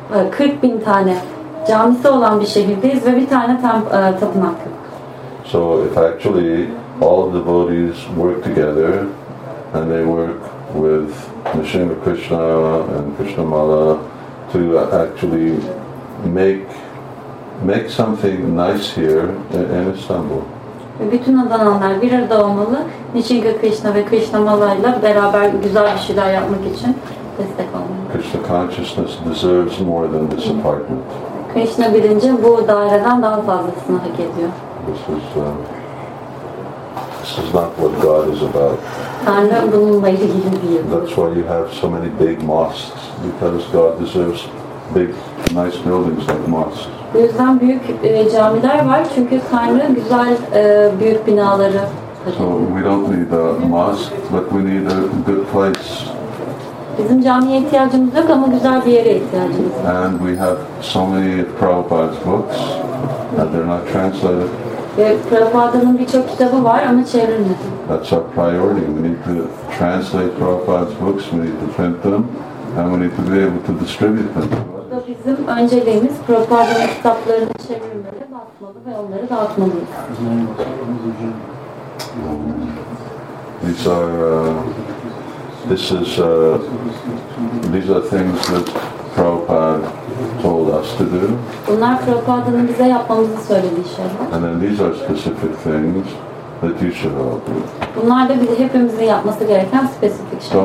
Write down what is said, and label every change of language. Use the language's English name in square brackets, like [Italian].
[Turkish] 40,000 tane camisi olan bir şehirdeyiz ve bir tane tapınak yok. [English] So if actually all the devotees work together and they work with Nishima Krishna and Krishna Mala to actually make something nice here in Istanbul. [Turkish] Bütün adananlar bir arada olmalı. Nishima Krishna ve Krishna Mala ile beraber güzel bir şeyler yapmak için destek olmalı. [English] Krishna consciousness deserves more than this apartment. [Turkish] Krishna bilinci bu daireden daha fazlasını hak ediyor. [English] This is not what God is about. That's why you have so many big mosques, because God deserves big, nice buildings like mosques. [Turkish] O yüzden büyük camiler var çünkü Tanrı güzel büyük binaları [English] So we don't need a mosque, but we need a good place. [Turkish] Bizim camiye ihtiyacımız yok ama güzel bir yere ihtiyacımız var. [English] And we have so many Prabhupada's books, and they're not translated. [Turkish] Prabhupada'nın birçok kitabı var ama çevrilmedi. [English] That's our priority. We need to translate Prabhupada's books, we need to print them, and we need to be able to distribute them. [Turkish] Bizim önceliğimiz Prabhupada'nın kitaplarını çevirmeli, basmalı ve onları dağıtmalıyız. [English] These are these are things that Prabhupada told us to do. [Turkish] Bunlar Prabhupada'nın bize yapmamızı söylediği şeyler. [English] And then these are specific things that you should all do. [Turkish] Bunlar da bize hepimizin yapması gereken spesifik şeyler.